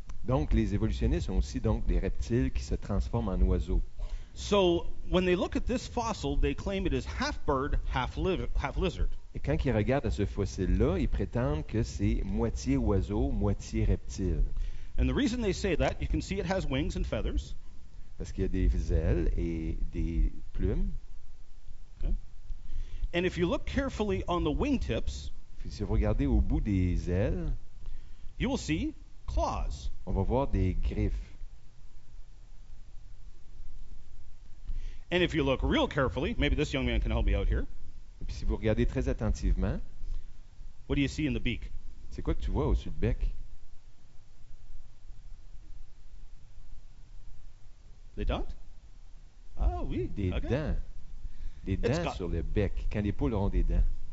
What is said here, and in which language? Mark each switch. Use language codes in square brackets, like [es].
[fr] Donc, les évolutionnistes ont aussi donc des reptiles qui se transforment en oiseaux. [en] So, when they look at this fossil, they claim it is half bird, half lizard. [fr] Et quand ils regardent à ce fossile-là, ils prétendent que c'est moitié oiseau, moitié reptile. [en] And the reason they say that, you can see it has wings and feathers. [fr] Parce qu'il y a des ailes et des plumes. [en] Okay. And if you look carefully on the wingtips, [fr] si vous regardez au bout des ailes, [en] you will see claws. [fr] On va voir des griffes. [en] And if you look real carefully, maybe this young man can help me out here. [fr] Et puis si vous regardez très attentivement, [en] what do you see in the beak? [fr] C'est quoi que tu vois au-dessus du bec? Des dents? Ah oui, des [en] okay. [fr] dents. Des dents got... sur le bec, quand les poules auront des dents.